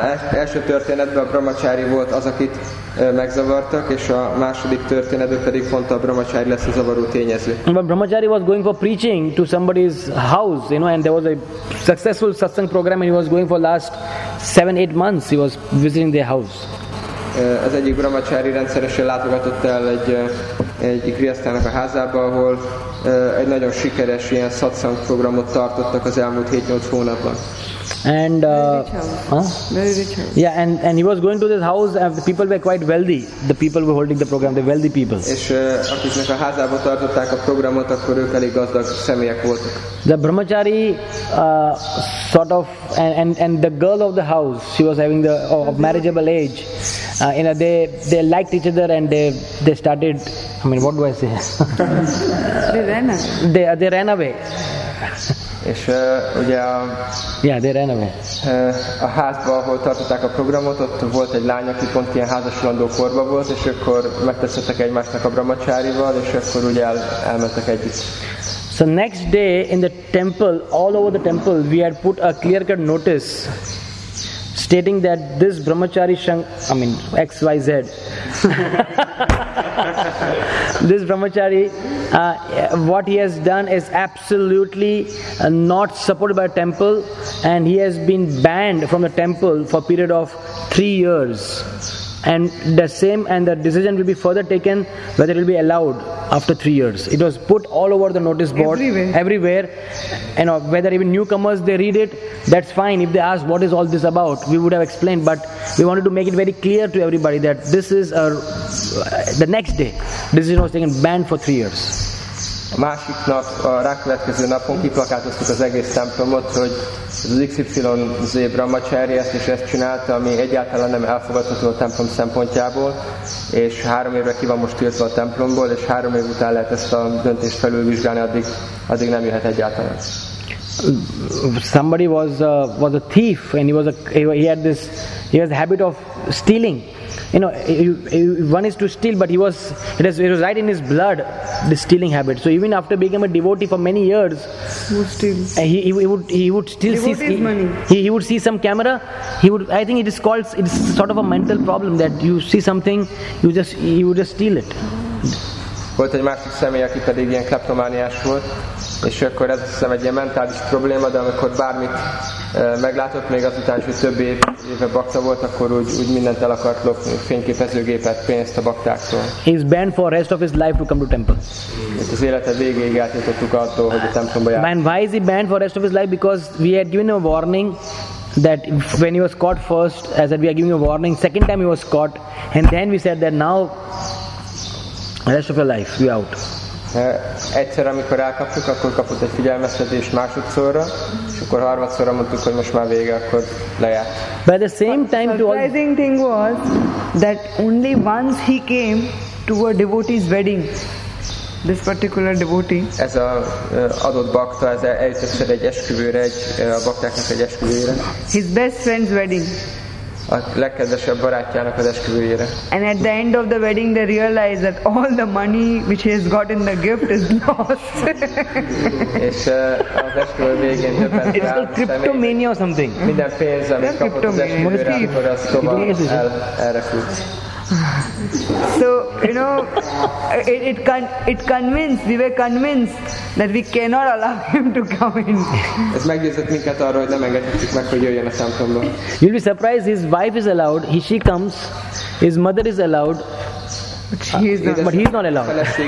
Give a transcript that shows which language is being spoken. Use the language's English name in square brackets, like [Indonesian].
[Hungarian] Első történetben a brahmachari volt az, akit megzavartak, és a második történetben pedig pont a brahmachari lesz a zavaró tényező. [English] But brahmachari was going for preaching to somebody's house, you know, and there was a successful satsang program, and he was going for last 7-8 months, he was visiting their house. [Hungarian] Az egyik brahmachari rendszeresen látogatott el egy grihasztának a házába, ahol egy nagyon sikeres ilyen satsang programot tartottak az elmúlt 7-8 hónapban. [English] And very rich house. Yeah, and he was going to this house, and the people were quite wealthy. The people were holding the program, the wealthy people. [Hungarian] És akiknek a házába tartották a programot, akkor ők elég gazdag személyek voltak. [English] The brahmachari sort of and the girl of the house, she was having the marriageable age. You know, they liked each other, and they started. I mean, what do I say? They ran away. They ran away. [Hungarian] És ugye a, [English] yeah, they ran away. [Hungarian] A házba, ahol tartották a programot, ott volt egy lány, aki pont ilyen házasulandó korba volt, és akkor megtetszettek egymásnak a brahmacsárival, és akkor ugye elmentek együtt. [English] So next day in the temple, all over the temple, we had put a clear cut notice stating that this brahmachari XYZ this brahmachari what he has done is absolutely not supported by temple, and he has been banned from the temple for a period of 3 years, and the same, and the decision will be further taken whether it will be allowed after 3 years. It was put all over the notice board everywhere, you know, whether even newcomers, they read it, that's fine. If they ask what is all this about, we would have explained, but we wanted to make it very clear to everybody that this is a, the next day decision was taken, banned for 3 years. [Hungarian] A másik nap, a rákövetkező napon kiplakátoztuk az egész templomot, hogy az XYZ brahmacsári ezt és ezt csinálta, ami egyáltalán nem elfogadható a templom szempontjából, és 3 évre ki van most tiltva a templomból, és 3 év után lehet ezt a döntést felülvizsgálni, addig nem jöhet egyáltalán. [English] Somebody was a thief, and he had a habit of stealing. You know, one is to steal, but it was right in his blood, the stealing habit. So even after becoming a devotee for many years, he would steal some camera. He would, I think it is called, it's sort of a mental problem that you see something, you just steal it. [Hungarian] Volt egy másik személy, aki pedig ilyen kleptomániás volt, és akkor ez hiszem egy ilyen mentális probléma, de amikor bármit meglátott, még azután, hogy több éve bakta volt, akkor úgy mindent el akart lopni, fényképezőgépet, pénzt a baktáktól. [English] He's banned for rest of his life to come to temple. [Hungarian] Itt az élete végéig eltiltottuk attól, hogy a templomba jár. [English] And why is he banned for rest of his life? Because we had given a warning that when he was caught first, as that we are giving a warning, second time he was caught, and then we said that now rest of your life, you're out. [Hungarian] Egyszer, amikor elkaptuk, akkor kapott egy figyelmeztetést másodszorra, és akkor harmadszorra mondtuk, hogy most már vége, akkor lejárt. [English] But the same time, the surprising thing was that only once he came to a devotee's wedding, this particular devotee. [Hungarian] Ez a adott bakta, ez eljött egyszer egy esküvőre, a baktáknak egy esküvőre. [English] His best friend's wedding. [Hungarian] A legkedvesebb barátjának az esküvőjére. [English] And at the end of the wedding they realize that all the money which he has got in the gift is lost. [Hungarian] És az esküvő végén [English] it's a kriptomania or something. [Hungarian] Minden pénz, amit kapott az esküvőre, akkor az tovább elrepült. [English] So, you know, we were convinced that we cannot allow him to come in. [Hungarian] Ez meggyőzött minket arról, hogy nem engedhetjük meg, hogy jöjjön a templomba. [English] You'll be surprised, his wife is allowed, she comes, his mother is allowed, but he is not allowed.